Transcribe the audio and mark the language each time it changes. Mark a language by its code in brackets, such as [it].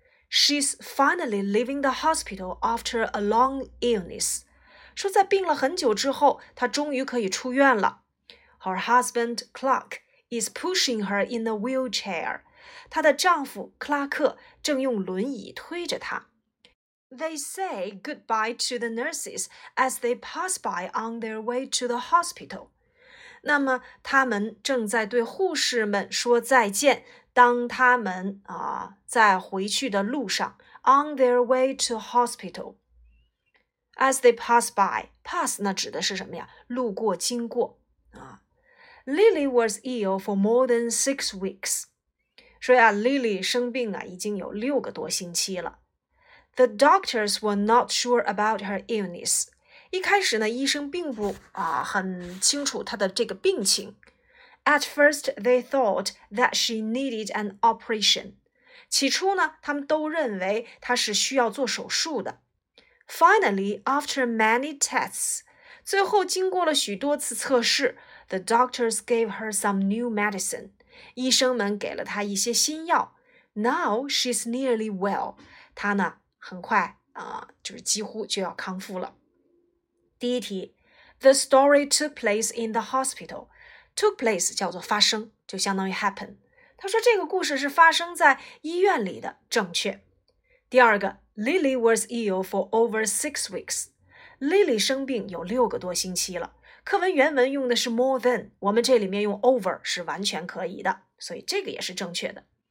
[en] She's finally leaving the hospital after a long illness. [zh] 说在病了很久之后，她终于可以出院了。 [en] Her husband, Clark, is pushing her in a wheelchair. [zh] 她的丈夫克拉克正用轮椅推着她。 [en] They say goodbye to the nurses as they pass by on their way to the hospital. [zh] 那么他们正在对护士们说再见。当他们在回去的路上 ， [en] on their way to hospital， as they pass by， [zh] pass 那指的是什么呀？路过、经过啊。 [en] Lily was ill for more than 6 weeks， [zh] 说呀 ，Lily 生病啊已经有六个多星期了。 [en] The doctors were not sure about her illness， [zh] 一开始呢，医生并不很清楚她的这个病情。 [en] At first, they thought that she needed an operation. [zh] 起初呢，他们都认为她是需要做手术的。 [en] Finally, after many tests, [zh] 最后经过了许多次测试 [en] ,the doctors gave her some new medicine. [zh] 医生们给了她一些新药。 [en] Now, she's nearly well. [zh] 她呢，很快就是几乎就要康复了。第一题 [en] ,the story took place in the hospital. [zh] Took place 叫做发生，就相当于 happen。他说这个故事是发生在医院里的，正确。第二个 [en] Lily was ill for over 6 weeks， [zh] Lily 生病有六个多星期了。课文原文用的是 more than， 我们这里面用 over 是完全可以的，所以这个也是正确的。